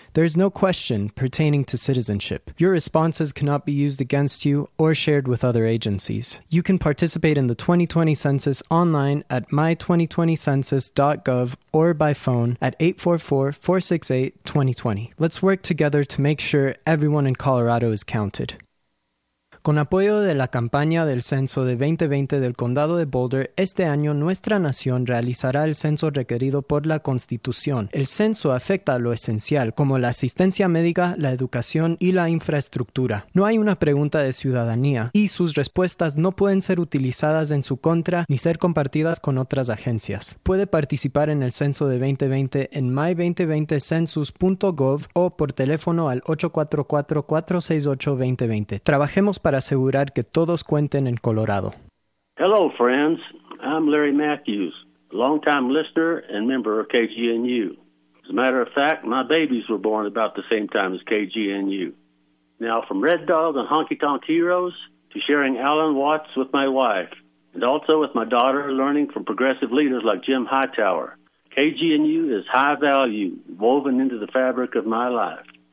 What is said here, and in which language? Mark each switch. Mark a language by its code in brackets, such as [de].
[en] There is no question pertaining to citizenship. Your responses cannot be used against you or shared with other agencies. You can participate in the 2020 Census online at my2020census.gov or by phone at 844-468-2020. Let's work together to make sure everyone in Colorado is counted. [es] Con apoyo de la campaña del Censo de 2020 del Condado de Boulder, este año nuestra nación realizará el censo requerido por la Constitución. El censo afecta a lo esencial, como la asistencia médica, la educación y la infraestructura. No hay una pregunta de ciudadanía, y sus respuestas no pueden ser utilizadas en su contra ni ser compartidas con otras agencias. Puede participar en el Censo de 2020 en my2020census.gov o por teléfono al 844-468-2020. Trabajemos para asegurar que todos cuenten en Colorado. [en] Hello, friends. I'm Larry Matthews, longtime listener and member of KGNU. As a matter of fact, my babies were born about the same time as KGNU. Now, from Red Dog and Honky Tonk Heroes to sharing Alan Watts with my wife, and also with my daughter learning from progressive leaders like Jim Hightower, KGNU is high value woven into the fabric of my life.